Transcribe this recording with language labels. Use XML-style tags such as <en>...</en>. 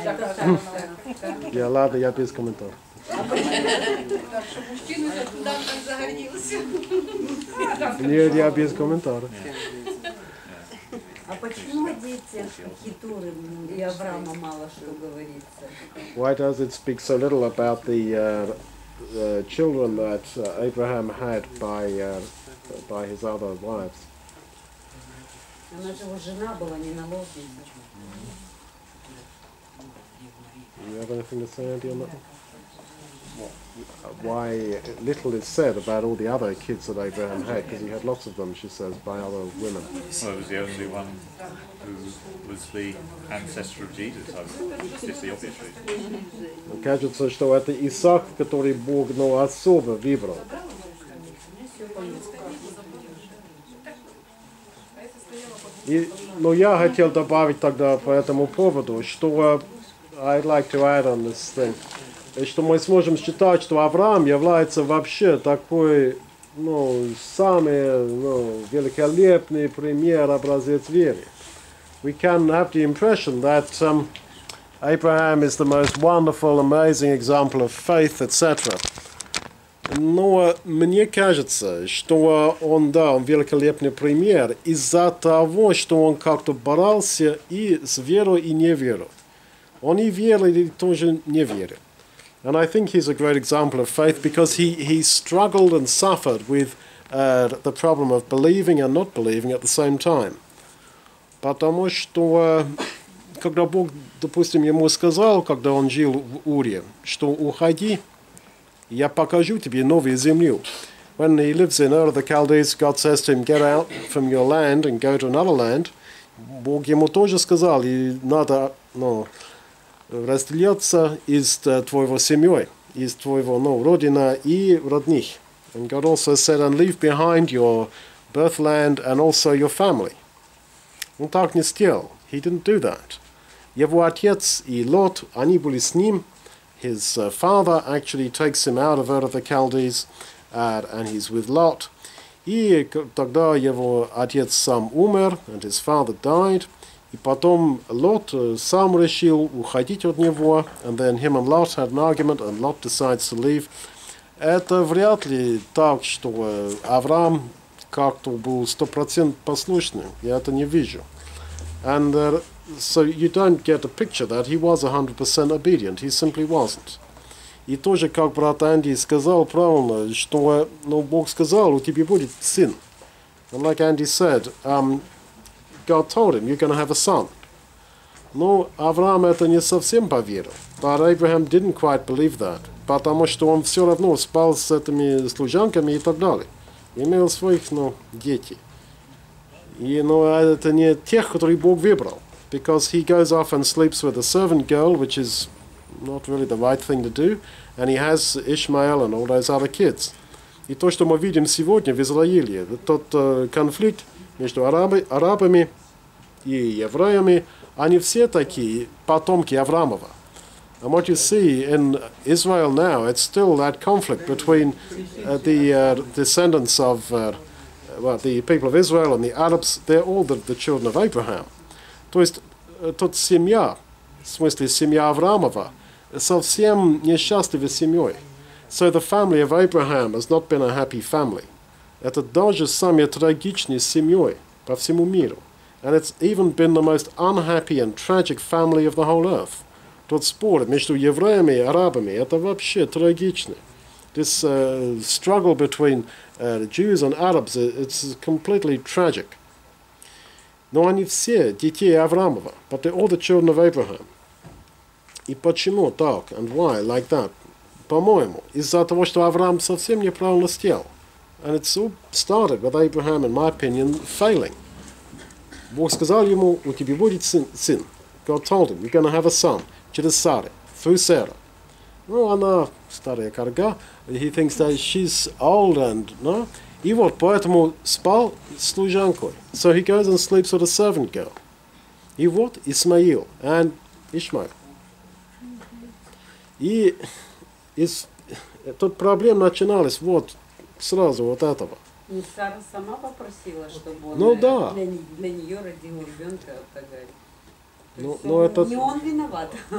<ru>так. Ладно, я без комментариев. Мужчина туда загорелся. Нет, я без комментариев. А почему дети Хитуры и Авраама мало что говорится?</ru> <en>Why does it speak so little about the children that Abraham had by his other wives?</en> <ru>Она же его жена была, не наложница.</ru> <en>You have anything to say, Andy, on that? Why little is said about all the other kids that Abraham had, because he had lots of them, she says, by other women. Well, it was the only one who was the ancestor of Jesus. It's the obvious reason.</en> <ru>Кажется, что это Исаак, который Бог, но особо выбрал. Но я хотел добавить тогда по этому поводу, что</ru> <en>I'd like to add on this thing.</en> <ru>И что мы сможем считать, что Авраам является вообще такой, самый великолепный пример, образец веры.</ru> <en>We can have the impression that Abraham is the most wonderful, amazing example of faith, etc.</en> <ru>Но мне кажется, что он великолепный пример из-за того, что он как-то боролся и с верой, и неверой. Он и верил, и тоже не верил.</ru> <en>And I think he's a great example of faith because he struggled and suffered with the problem of believing and not believing at the same time.</en> <ru>Потому что, когда Бог, допустим, ему сказал, когда он жил в Уре, что уходи, я покажу тебе новую землю.</ru> <en>When he lives in Ur of the Chaldees, God says to him, get out from your land and go to another land.</en> <ru>Бог ему тоже сказал, и надо, разделяться из твоего семьей, из твоего родина и родних.</ru> <en>And God also said, and leave behind your birthland and also your family.</en> <ru>Он так не сделал.</ru> <en>He didn't do that.</en> <ru>Его отец и Лот, они были с ним.</ru> <en>His father actually takes him out of Ur of the Chaldees, and he's with Lot.</en> <ru>И тогда его отец сам умер,</ru> <en>and his father died.</en> <ru>И потом Лот сам решил уходить от него,</ru> <en>and then him and Lot had an argument, and Lot decides to leave.</en> <ru>Это вряд ли так, что Авраам как-то был 100% послушным. Я это не вижу.</ru> <en>And so you don't get a picture that he was 100% obedient. He simply wasn't.</en> <ru>И тоже, как брат Анди сказал правильно, что Бог сказал, у тебя будет сын.</ru> <en>And like Andy said, God told him, you're going to have a son.</en> <ru>Но Авраам это не совсем поверил.</ru> <en>But Abraham didn't quite believe that.</en> <ru>Потому что он все равно спал с этими служанками и так далее. Имел своих, детей. И, это не тех, которые Бог выбрал.</ru> <en>Because he goes off and sleeps with a servant girl, which is not really the right thing to do. And he has Ishmael and all those other kids.</en> <ru>И то, что мы видим сегодня в Израиле, тот конфликт, между арабами и евреями, они все такие потомки Авраамова.</ru> <en>And what you see in Israel now, it's still that conflict between the descendants of the people of Israel and the Arabs. They're all the children of Abraham.</en> <ru>То есть тот семья, в смысле семья Авраамова, совсем несчастливой семьей.</ru> <en>So the family of Abraham has not been a happy family.</en> <ru>Это даже самая трагичная семья по всему миру.</ru> <en>And it's even been the most unhappy and tragic family of the whole earth.</en> <ru>тот спор между евреями и арабами, это вообще трагично.</ru> <en>This struggle between Jews and Arabs, it's completely tragic.</en> <ru>Но они все дети Авраамова,</ru> <en>but they're all the children of Abraham.</en> <ru>И почему так,</ru> <en>and why, like that?</en> <ru>По-моему, из-за того, что Авраам совсем неправильно сделал.</ru> <en>And it all started with Abraham, in my opinion, failing.</en> <ru>Бог сказал ему, у тебя будет сын.</ru> <en>God told him, you're going to have a son.</en> <ru>Через Сару,</ru> <en>through Sarah.</en> <ru>Ну, она старая карга.</ru> <en>He thinks that she's old and, no?</en> <ru>И вот, поэтому спал служанкой.</ru> <en>So he goes and sleeps with a servant girl.</en> <ru>И вот, Исмаил and Ишмаил. И из, тут проблема начиналась вот сразу вот этого. И Сара сама попросила, чтобы он для нее родил ребенка. Ну, это... Не он виноват.</ru>